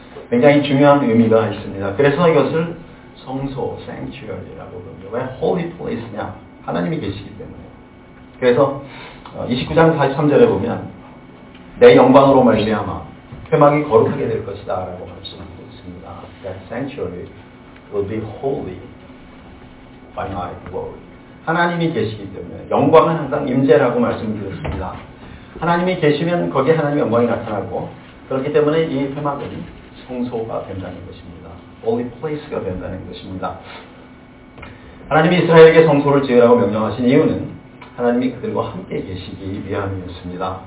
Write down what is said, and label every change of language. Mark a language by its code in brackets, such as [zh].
[ko] 굉장히 중요한 의미가 있습니다. 그래서 이것을 성소, sanctuary라고 부릅니다. 왜 [en] holy place [ko] 냐? 하나님이 계시기 때문에. 그래서 29장 43절에 보면 내 영광으로 말미암아 회막이 거룩하게 될 것이다 라고 말씀하고 있습니다. [en] That sanctuary will be holy by my glory. [ko] 하나님이 계시기 때문에 영광은 항상 임재라고 말씀드렸습니다. 하나님이 계시면 거기에 하나님의 영광이 나타나고 그렇기 때문에 이 회막은 성소가 된다는 것입니다. [en] Holy place [ko] 가 된다는 것입니다. 하나님이 이스라엘에게 성소를 지으라고 명령하신 이유는 하나님이 그들과 함께 계시기 위함이었습니다.